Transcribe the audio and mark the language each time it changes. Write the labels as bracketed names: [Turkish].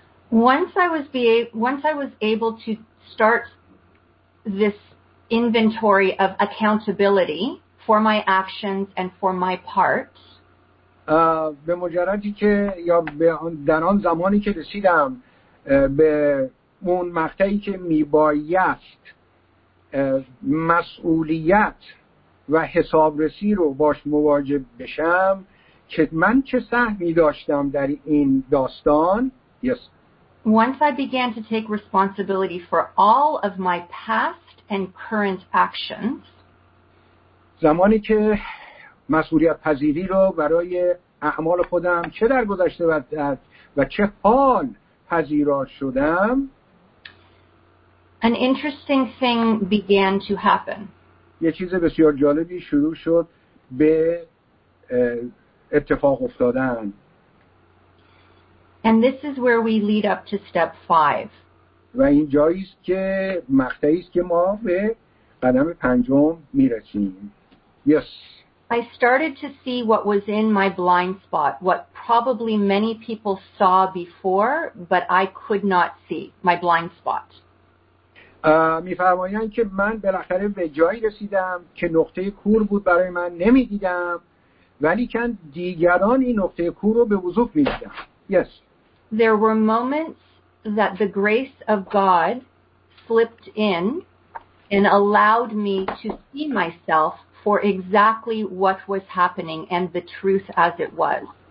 [English] Once I was able to start this inventory of accountability for my actions and for my part. [Persian] به مجردی که یا به در آن زمانی که رسیدم به اون مقطعی که میبایست مسئولیت و حسابرسی رو باش مواجه بشم که من چه سهمی داشتم در این داستان. [English] Yes. Once I began to take responsibility for all of my past and current actions. [Persian] زمانی که مسئولیت پذیری رو برای اعمال خودم چه در گذشته و چه حال پذیرا شدم. [English] An interesting thing began to happen. [Persian] یه چیز بسیار جالبی شروع شد به اتفاق افتادن. [English] And this is where we lead up to step 5. [Persian] و این جایی است که مقطعی است که ما به قدم پنجم میرسیم. [English] Yes. I started to see what was in my blind spot, what probably many people saw before, but I could not see, my blind spot. [Persian] می‌فرمایند که من بالاخره به جایی رسیدم که نقطه کور بود برای من، نمی‌دیدم، ولی که دیگران این نقطه کور رو به وضوح می‌دیدند. [English] Yes. There were moments that the grace of God slipped in and allowed me to see myself for exactly what was happening and the truth as it was.